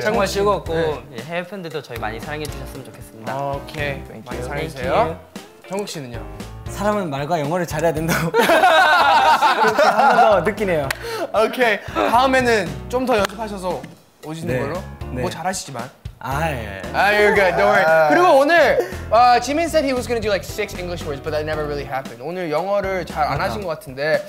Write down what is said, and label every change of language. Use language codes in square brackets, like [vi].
[ko] 정말 즐거웠고 해외 팬들도 저희 많이 사랑해 주셨으면 좋겠습니다. 오케이. 많이 사랑해주세요. 정국 씨는요? 사람은 말과 영어를 잘해야 된다고 하나 더 느끼네요. 오케이. 다음에는 좀 더 연습하셔서 오시는 걸로. 뭐 잘하시지만. [en] You're good. Don't worry. [ko] 그리고 오늘 [en] Jimin said he was gonna do like 6 English words, but that never really happened. [ko] 오늘 영어를 잘 안 하신 것 같은데.